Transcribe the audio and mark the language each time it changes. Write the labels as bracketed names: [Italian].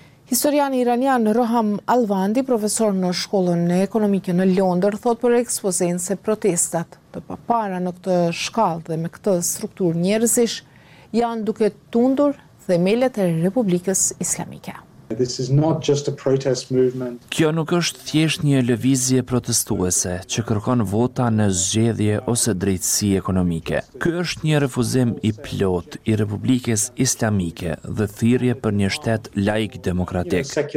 [Albanian] Historiani iranian Roham Alvandi, profesor në shkollën e ekonomike në Londër, thot për ekspozen se protestat të papara në këtë shkallë dhe me këtë strukturë njerëzish janë duke tundur themelet e Republikës Islamike. [English] This is not just a protest movement. [Albanian] Kjo nuk është thjesht një lëvizje protestuese që kërkon vota në zgjedhje ose drejtësi ekonomike. Ky është një refuzim i plot i Republikës Islamike dhe thirrje për një shtet laik demokratik.